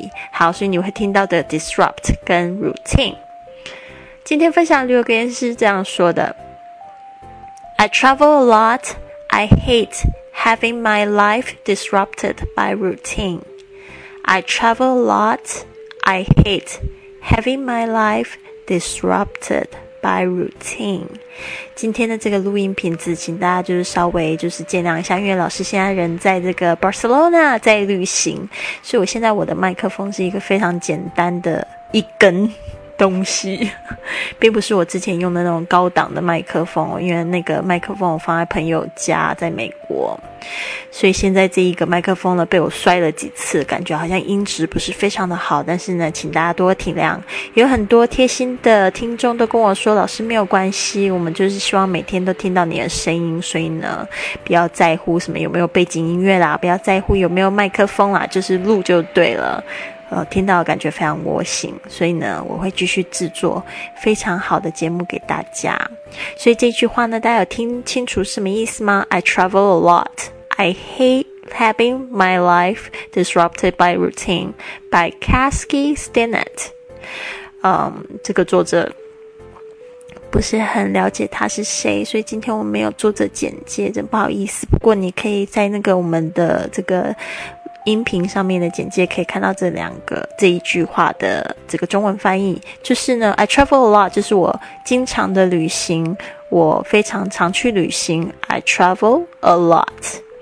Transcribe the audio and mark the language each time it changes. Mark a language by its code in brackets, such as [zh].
[zh] 好，所以你会听到的 disrupt 跟 routine。今天分享的旅游格言是这样说的。 [en] I travel a lot, I hate having my life disrupted by routine. I travel a lot, I hate having my life disrupted by routine. [zh] 今天的这个录音品质请大家就是稍微就是见谅一下，因为老师现在人在这个 Barcelona 在旅行，所以我现在我的麦克风是一个非常简单的一根东西，并不是我之前用的那种高档的麦克风，因为那个麦克风我放在朋友家在美国，所以现在这一个麦克风呢被我摔了几次，感觉好像音质不是非常的好，但是呢请大家多体谅，有很多贴心的听众都跟我说，老师没有关系，我们就是希望每天都听到你的声音，所以呢不要在乎什么有没有背景音乐啦，不要在乎有没有麦克风啦，就是录就对了，听到感觉非常窝心，所以呢我会继续制作非常好的节目给大家。所以这句话呢大家有听清楚什么意思吗？ [en] I travel a lot, I hate having my life disrupted by routine by Kasky Stinnett。 [zh] 这个作者不是很了解他是谁，所以今天我没有作者简介，真不好意思，不过你可以在那个我们的这个音频上面的简介可以看到这两个这一句话的这个中文翻译，就是呢 [en] I travel a lot [zh] 就是我经常的旅行，我非常常去旅行， I travel a lot。